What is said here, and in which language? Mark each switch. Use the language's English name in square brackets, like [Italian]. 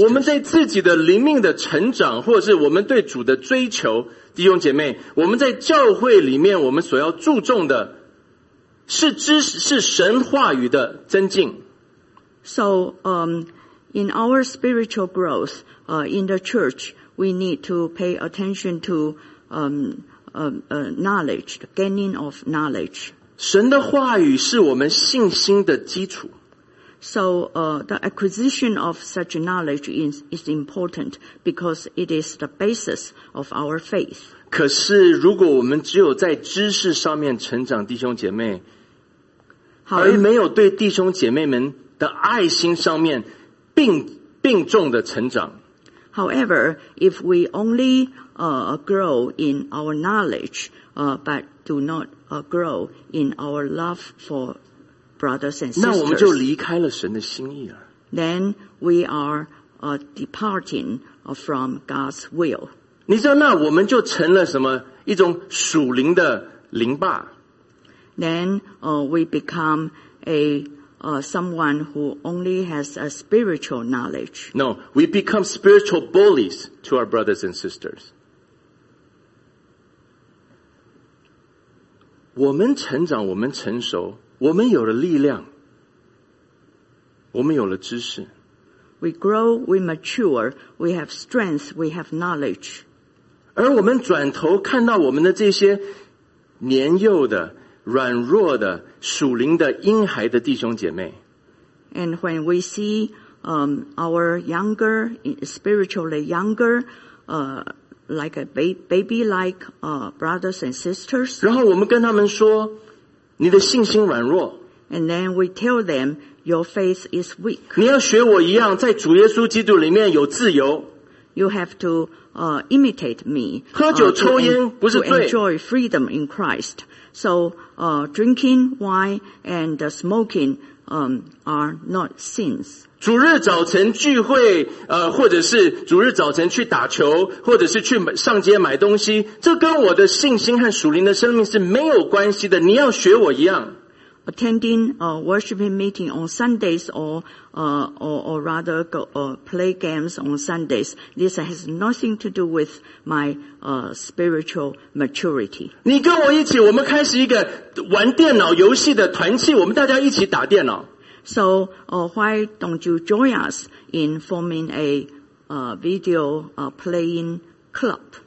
[Chinese] 我们在自己的灵命的成长，或者是我们对主的追求，弟兄姐妹，我们在教会里面，我们所要注重的是知识，是神话语的增进。 [English] So, in our spiritual growth, in the church, we need to pay attention to knowledge, the gaining of knowledge. [Chinese] 神的话语是我们信心的基础。 [English] So, the acquisition of such knowledge is important because it is the basis of our faith. [Chinese] 可是如果我们只有在知识上面成长，弟兄姐妹，而没有对弟兄姐妹们的爱心上面并重的成长。 [English] However, if we only grow in our knowledge, but do not grow in our love for brothers and sisters, [Chinese] 那我们就离开了神的心意了。 [English] Then we are departing from God's will. [Chinese] 你知道，那我们就成了什么？一种属灵的灵霸。 [English] then we become a someone who only has a spiritual knowledge. No, we become spiritual bullies to our brothers and sisters. [Chinese] 我们成长, 我们成熟, 我们有了力量, 我们有了知识。 [English] We grow, we mature, we have strength, we have knowledge. [Chinese] 而我们转头看到我们的这些年幼的, 软弱的, 属灵的, 婴孩的弟兄姐妹, [English] And when we see our younger, spiritually younger, like a baby-like brothers and sisters, [Chinese] 然后我们跟他们说, 你的信心软弱, [English] And then we tell them, your faith is weak. [Chinese] 你要学我一样, 在主耶稣基督里面有自由, [English] You have to imitate me. [Chinese] 喝酒抽烟, [English] to enjoy freedom in Christ. So drinking wine and smoking are not sins. [Chinese] 主日早晨聚会, 或者是主日早晨去打球, 或者是去上街买东西, 这跟我的信心和属灵的生命是没有关系的, 你要学我一样。 [English] Attending a worshiping meeting on Sundays or rather play games on Sundays. This has nothing to do with my spiritual maturity. [Chinese] 你跟我一起, 我们开始一个玩电脑游戏的团契, 我们大家一起打电脑。 [English] So, why don't you join us in forming a video playing club?